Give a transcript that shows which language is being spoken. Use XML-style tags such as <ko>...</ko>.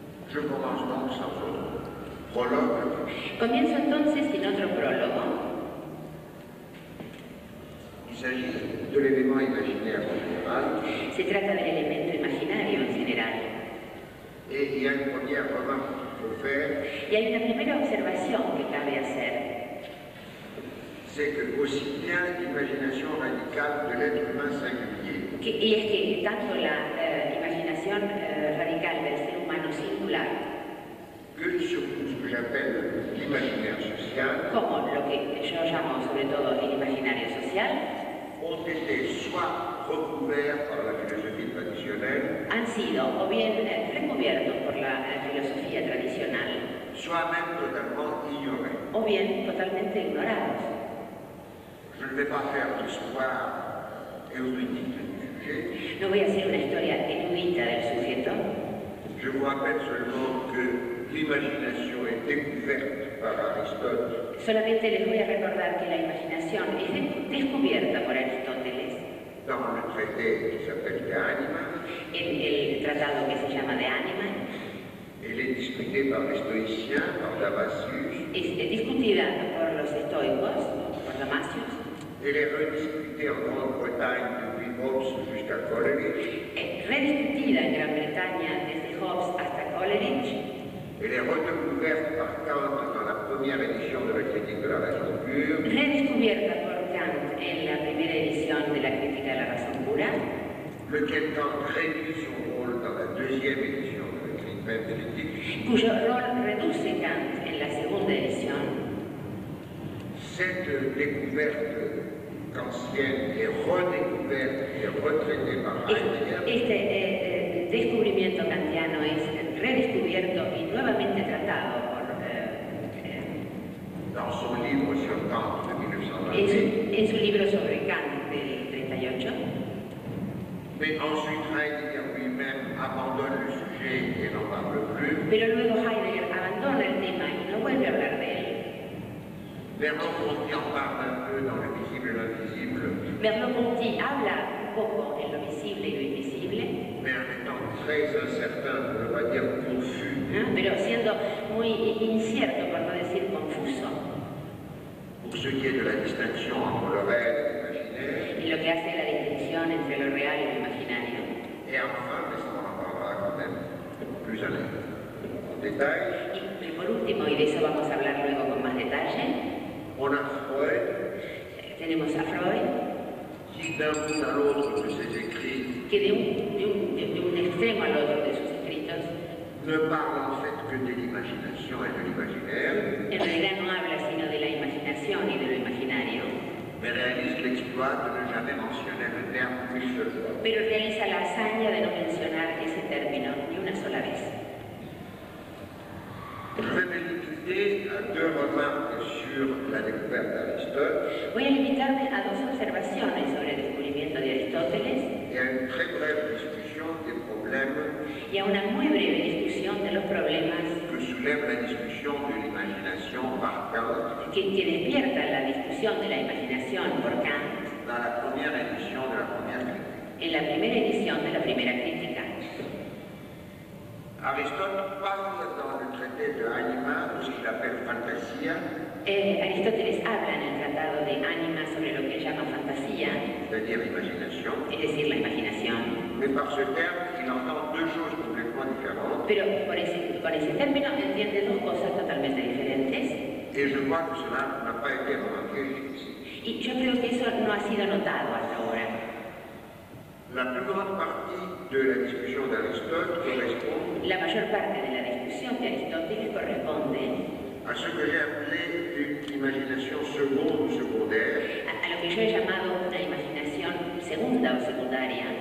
<fr>Je commence donc sans autre prologue.</fr> <es>Comienzo entonces sin otro prólogo.</es> <fr>Il s'agit de l'élément imaginaire en général.</fr> <es>Se trata del elemento imaginario en general.</es> <fr>Et il y a une première remarque qu'il faut faire.</fr> <es>Y hay una primera observación que cabe hacer.</es> <fr>C'est que aussi bien l'imagination radicale de l'être humain singulier.</fr> <es>Y es que tanto la imaginación radical del ser humano singular.</es> <fr>Que surtout ce que j'appelle l'imaginaire social.</fr> <es>Como lo que yo llamo sobre todo el imaginario social.</es> <fr>Ont été soit recouverts par la philosophie traditionnelle.</fr> <es>Han sido o bien recubiertos por la filosofía tradicional.</es> <fr>Soit même totalement ignorés.</fr> <es>O bien totalmente ignorados.</es> <fr>Je ne vais pas faire d'histoire érudite.</fr> <es>No voy a hacer una historia erudita del sujeto.</es> <fr>Je vous rappelle seulement que l'imagination est découverte par Aristote.</fr> <es>Solamente les voy a recordar que la imaginación es descubierta por Aristóteles.</es> <fr>Dans le traité qui s'appelle de Anima.</fr> <es>En el tratado que se llama de Anima.</es> <fr>Elle est discutée par les stoïciens, par Damasius.</fr> <es>Es discutida por los estoicos, por Damasius.</es> <fr>Elle est rediscutée en Grande-Bretagne depuis Hobbes jusqu'à Coleridge.</fr> <es>Rediscutida en Gran Bretaña desde Hobbes hasta Coleridge.</es> <fr>Elle est redécouverte par Kant dans la première édition de la Critique de la Raison Pure.</fr> <es>Redescubierta por Kant en la primera edición de la Crítica de la Razón Pura.</es> <fr>Lequel Kant réduit son rôle dans la deuxième édition de la Critique de la Raison Pure.</fr> <es>Cuyo rol reduce Kant en la segunda edición.</es> <fr>Cette découverte kantienne est redécouverte et retraitée par Heidegger.</fr> <es>Este descubrimiento kantiano es redescubierto y nuevamente tratado por</es> <fr>dans son livre sur Kant de 1928.</fr> <es>En su libro sobre Kant de 1938.</es> <fr>Mais ensuite Heidegger lui-même abandonne le sujet et n'en parle plus.</fr> <es>Pero luego Heidegger abandona el tema y no vuelve a hablar de él.</es> <fr>Merleau-Ponty en parle un peu dans le visible et l'invisible.</fr> <es>Merleau-Ponty habla un poco en lo visible y lo invisible.</es> <fr>Mais en étant très incertain, pour ne pas dire confus.</fr> <es>Pero siendo muy incierto, por no decir confuso.</es> <fr>Pour ce qui est de la distinction entre le réel et l'imaginaire.</fr> <es>Y lo que hace la distinción entre lo real y lo imaginario.</es> <fr>Et enfin, mais ça on en parlera quand même plus à l'aise. Détail.</fr> <es>Y por último, y de eso vamos a hablar luego con más detalle.</es> <fr>On a Freud.</fr> <es>Tenemos a Freud.</es> <fr>Qui d'un bout à l'autre de ses écrits.</fr> <es>Que de un extremo al otro de sus escritos.</es> <fr>Ne parle en fait que de l'imagination et de l'imaginaire.</fr> <es>En realidad no habla sino de la imaginación y de lo imaginario.</es> <fr>Mais réalise l'exploit de ne jamais mentionner le terme une seule fois.</fr> <es>Pero realiza la hazaña de no mencionar ese término ni una sola vez.</es> <fr>Je vais me limiter à deux remarques sur la découverte d'Aristote.</fr> <es>Voy a limitarme a dos observaciones sobre el descubrimiento de Aristóteles.</es> <fr>Et à une très brève discussion des problèmes.</fr> <es>Y a una muy breve discusión de los problemas.</es> <fr>Que soulève la discussion de l'imagination par Kant.</fr> <es>Que despierta la discusión de la imaginación por Kant.</es> <fr>Dans la première édition de la première critique.</fr> <es>En la primera edición de la primera crítica.</es> <fr>Aristote parle dans le traité de Anima de ce qu'il appelle Fantasia.</fr> <es>Aristóteles habla en el tratado de Anima sobre lo que él llama fantasía.</es> <fr>C'est-à-dire l'imagination.</fr> <es>Es decir, la imaginación.</es> <fr>Mais par ce terme, il entend deux choses complètement différentes.</fr> <es>Pero con ese término entiende dos cosas totalmente diferentes.</es> <fr>Et je crois que cela n'a pas été remarqué.</fr> <es>Y yo creo que eso no ha sido notado hasta ahora. La mayor parte de la discusión de Aristóteles corresponde. La mayor parte de la discusión de Aristóteles corresponde a lo que yo he llamado una imaginación segunda o secundaria.</es>